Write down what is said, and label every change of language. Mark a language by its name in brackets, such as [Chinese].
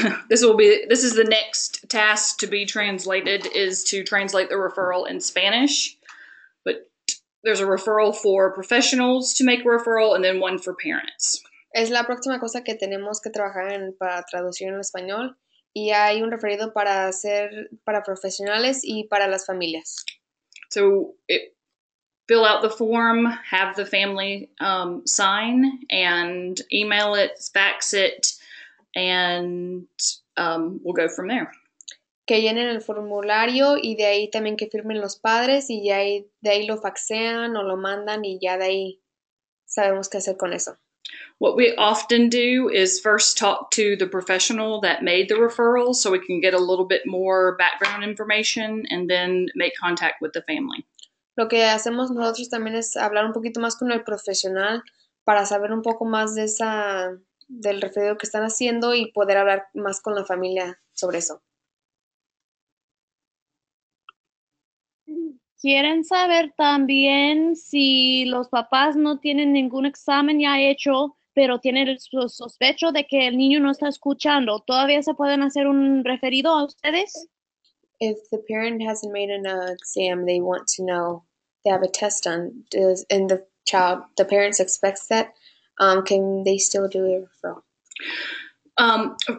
[English] This is the next task to be translated, is to translate the referral in Spanish. There's a referral for professionals to make a referral, and then one for parents. [Spanish] Es la próxima cosa que tenemos que trabajar en para traducir en español, y hay un referido para hacer para profesionales y para las familias. [English] So fill out the form, have the family sign, and email it, fax it, and we'll go from there. [Spanish] Que llenen el formulario y de ahí también que firmen los padres y ya de ahí lo faxean o lo mandan y ya de ahí sabemos qué hacer con eso. [English] What we often do is first talk to the professional that made the referral so we can get a little bit more background information and then make contact with the family. [Spanish] Lo que hacemos nosotros también es hablar un poquito más con el profesional para saber un poco más de esa del referido que están haciendo y poder hablar más con la familia sobre eso. ¿Quieren saber también si los papás no tienen ningún examen ya hecho, pero tienen el sospecho de que el niño no está escuchando? ¿Todavía se pueden hacer un referido a ustedes? [English] If the parent hasn't made an exam, they want to know, they have a test done, and the child, the parents expects that, can they still do a referral?